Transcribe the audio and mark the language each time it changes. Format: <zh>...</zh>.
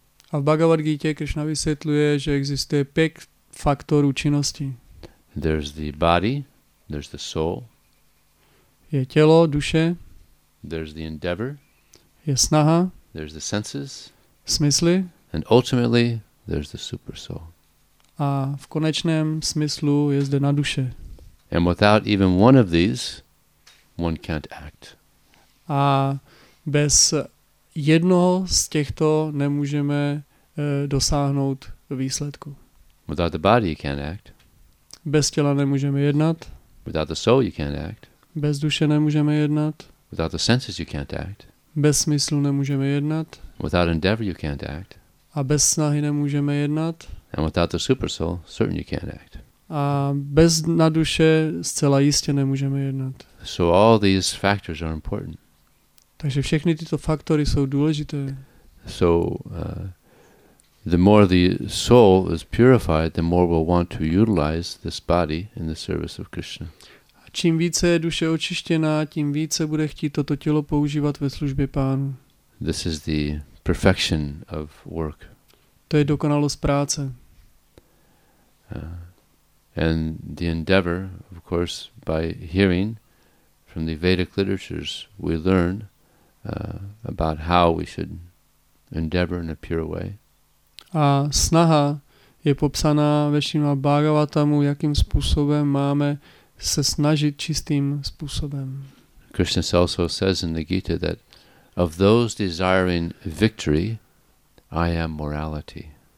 <cs>A v Bhagavad Gita Krishna vysvětluje, že existuje pět faktorů činnosti.</cs> <en>There's the body, there's the soul.</en> <cs>Je tělo, duše.</cs> <en>There's the endeavor.</en> <cs>Je snaha.</cs> <en>There's the senses.</en> <cs>Smysly.</cs> <en>And ultimately, there's the super soul.</en> <cs>A v konečném smyslu je zde na duše.</cs> <en>And without even one of these, one can't act.</en> <cs>A bez jednoho z těchto nemůžeme dosáhnout výsledku.</cs> <en>Without the body, you can't act.</en> <cs>Bez těla nemůžeme jednat.</cs> <en>Without the soul, you can't act.</en> <cs>Bez duše nemůžeme jednat.</cs> <en>Without the senses, you can't act.</en> <cs>Bez smyslu nemůžeme jednat.</cs> <en>Without endeavor, you can't act.</en> <cs>A bez snahy nemůžeme jednat.</cs> <en>And without the super soul, certainly you can't act.</en> <cs>A bez naduše zcela jistě nemůžeme jednat.</cs> <en>So all these factors are important.</en> <cs>Takže všechny tyto faktory jsou důležité.</cs> <en>So the more the soul is purified, the more we'll want to utilize this body in the service of Krishna.</en> <cs>A čím více je duše očištěná, tím více bude chtít toto tělo používat ve službě Pánu.</cs> <en>This is the perfection of work.</en> <cs>To je dokonalost práce.</cs> <en>And the endeavor, of course, by hearing from the Vedic literatures, we learn about how we should endeavor in a pure way.</en> <cs>A snaha je popsaná ve Šrímad Bhagavatamu, jakým způsobem máme se snažit čistým způsobem.</cs> <en>Krishna also says in the Gita that of those desiring victory, I am morality.</en>